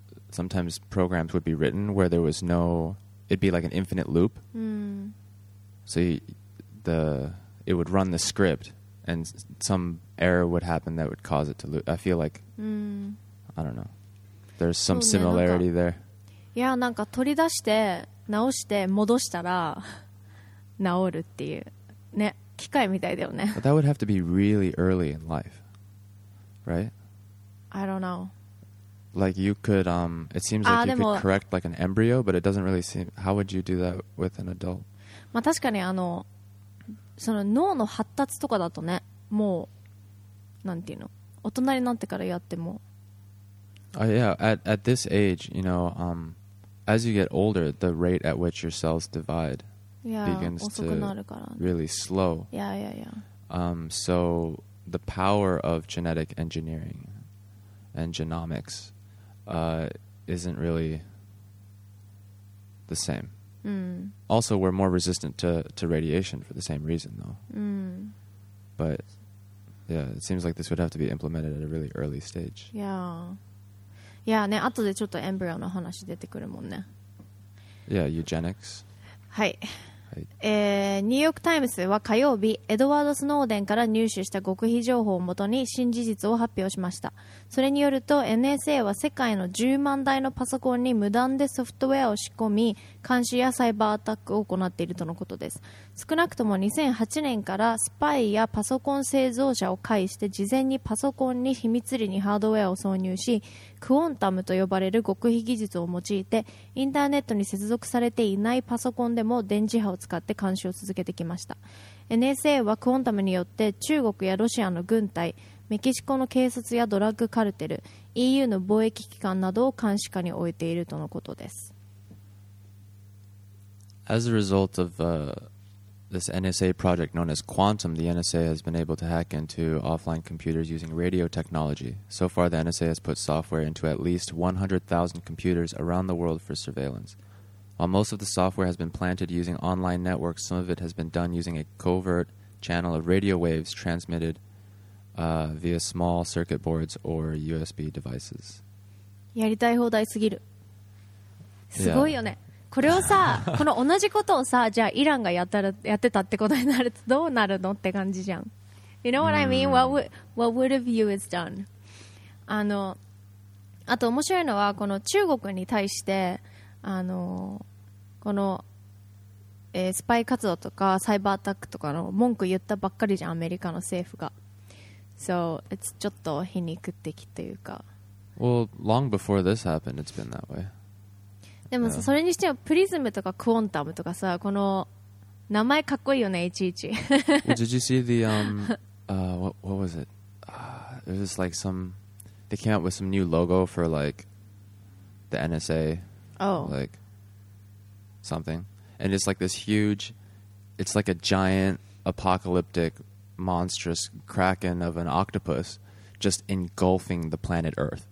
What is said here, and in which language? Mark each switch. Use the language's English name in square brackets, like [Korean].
[English] sometimes programs would be written where there was no... It'd be like an infinite loop. So it would run the script, and some error would happen that would cause it to loop. I feel like... I don't know. There's some similarity there. [Japanese] Yeah, なんか取り出して直して戻したら治るっていうね、機械みたいだよね。 [English] But that would have to be really early in life, right? I don't know. Like you could, it seems like you could correct like an embryo, but it doesn't really seem. How would you do that with an adult? [Japanese] まあ確かにその脳の発達とかだとね、もうなんていうの、大人になってからやっても。 [English] Yeah, at this age, you know, as you get older, the rate at which your cells divide begins to really slow. So the power of genetic engineering and genomics isn't really the same. Also, we're more resistant to radiation for the same reason, though. But yeah, it seems like this would have to be implemented at a really early stage. Yeah. [Japanese] いやね、後でちょっとエンブリオの話出てくるもんね。 [English] Yeah, eugenics. [Japanese] はい、ニューヨークタイムズは火曜日、エドワード・スノーデンから入手した極秘情報をもとに新事実を発表しました。それによると NSA は世界の10万台のパソコンに無断でソフトウェアを仕込み、監視やサイバーアタックを行っているとのことです。少なくとも2008年からスパイやパソコン製造者を介して事前にパソコンに秘密裏にハードウェアを挿入し、クォンタムと呼ばれる極秘技術を用いて、インターネットに接続されていないパソコンでも電磁波を使って監視を続けてきました。 NSA はクォンタムによって中国やロシアの軍隊、メキシコの警察やドラッグカルテル、 EU の貿易機関などを監視下に置いているとのことです。 [English] As a result of this NSA project known as Quantum, the NSA has been able to hack into offline computers using radio technology. So far, the NSA has put software into at least 100,000 computers around the world for surveillance. While most of the software has been planted using online networks, some of it has been done using a covert channel of radio waves transmitted via small circuit boards or USB devices. [Japanese] やりたい放題すぎる。すごいよね。これをさ、この同じことをさ、じゃあイランがやってたってことになるとどうなるのって感じじゃん。 [English] You know what I mean? What would have you is done? [Japanese] あと面白いのは、この中国に対して、この、スパイ活動とかサイバーアタックとかの文句言ったばっかりじゃん、アメリカの政府が。 [English] So, it's [Japanese] ちょっと皮肉的というか。 [English] Well, long before this happened, it's been that way. [Japanese] でもさ、それにしてもプリズムとかクォンタムとかさ、この名前かっこいいよね、いちいち。 [English] Did you see the what was it? It was like some they came out with some new logo for like the NSA. Oh. Like something. And it's like this huge, it's like a giant apocalyptic monstrous kraken of an octopus just engulfing the planet Earth.